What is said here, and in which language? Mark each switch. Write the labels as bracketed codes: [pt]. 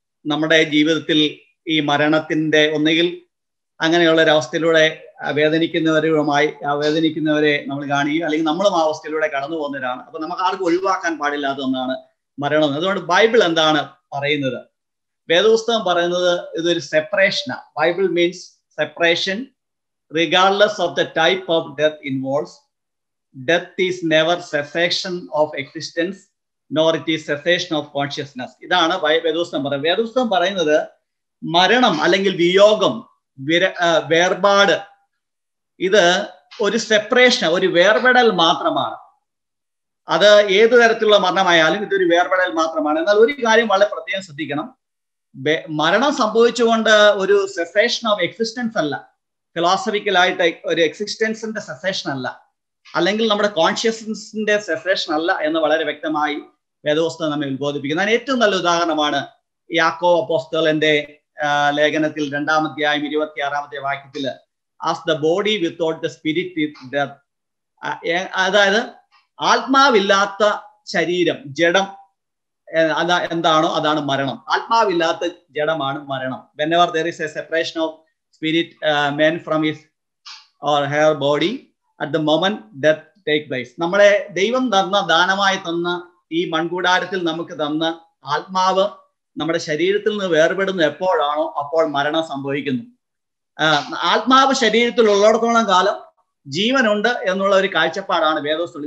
[ml] നമ്മുടെ ജീവിതത്തിൽ ഈ മരണത്തിൻ്റെ ഒന്നുകിൽ അങ്ങനെയുള്ള ഒരവസ്ഥയിലൂടെ വേദനിക്കുന്നവരെ നമ്മൾ കാണുകയും അല്ലെങ്കിൽ നമ്മളും ആ അവസ്ഥയിലൂടെ കടന്നു പോകുന്നവരാണ്. അപ്പൊ നമുക്ക് ആർക്കും ഒഴിവാക്കാൻ പാടില്ലാത്ത ഒന്നാണ് മരണം. അതുകൊണ്ട് ബൈബിൾ എന്താണ് പറയുന്നത്? വേദപുസ്തകം പറയുന്നത് ഇതൊരു സെപ്പറേഷനാണ്. [en] Bible means separation. Regardless of the type of death involves, death is never cessation of existence, nor it is cessation of consciousness. [ml] ഇതാണ് വേദപുസ്തകം പറയുന്നത്. മരണം അല്ലെങ്കിൽ വിയോഗം, വേർപാട്, ഇത് ഒരു സെപ്പറേഷൻ, ഒരു വേർപെടൽ മാത്രമാണ്. അത് ഏത് തരത്തിലുള്ള മരണമായാലും ഇതൊരു വേർപെടൽ മാത്രമാണ്. എന്നാൽ ഒരു കാര്യം വളരെ പ്രത്യേകം ശ്രദ്ധിക്കണം, മരണം സംഭവിച്ചുകൊണ്ട് ഒരു സെസേഷൻ ഓഫ് എക്സിസ്റ്റൻസ് അല്ല, ഫിലോസഫിക്കലായിട്ട് ഒരു എക്സിസ്റ്റൻസിന്റെ സെസേഷൻ അല്ല, അല്ലെങ്കിൽ നമ്മുടെ കോൺഷ്യസ്നെസ്സിന്റെ സെസേഷൻ അല്ല എന്ന് വളരെ വ്യക്തമായി വേദപുസ്തകം നമ്മെ ഉത്ബോധിപ്പിക്കുന്നു. അതിന് ഏറ്റവും നല്ല ഉദാഹരണമാണ് യാക്കോ അപ്പോസ്തലന്റെ ലേഖനത്തിൽ 2 26 വാക്യത്തിൽ, [en] As the body without the spirit is death. [ml] അതായത് ആത്മാവില്ലാത്ത ശരീരം, ജഡം, അതാ എന്താണോ അതാണ് മരണം. ആത്മാവില്ലാത്ത ജഡമാണ് മരണം. [en] Whenever there is a separation of spirit man from his or her body at the moment death take place. [ml] നമ്മളെ ദൈവം തന്ന ദാനമായി തന്ന ഈ മൺകൂടാരത്തിൽ നമുക്ക് തന്ന ആത്മാവ് നമ്മുടെ ശരീരത്തിൽ നിന്ന് വേർപെടുന്ന എപ്പോഴാണോ അപ്പോൾ മരണം സംഭവിക്കുന്നു. ആത്മാവ് ശരീരത്തിൽ ഉള്ളിടത്തോളം കാലം ജീവനുണ്ട് എന്നുള്ള ഒരു കാഴ്ചപ്പാടാണ് വേദപുസ്തകം.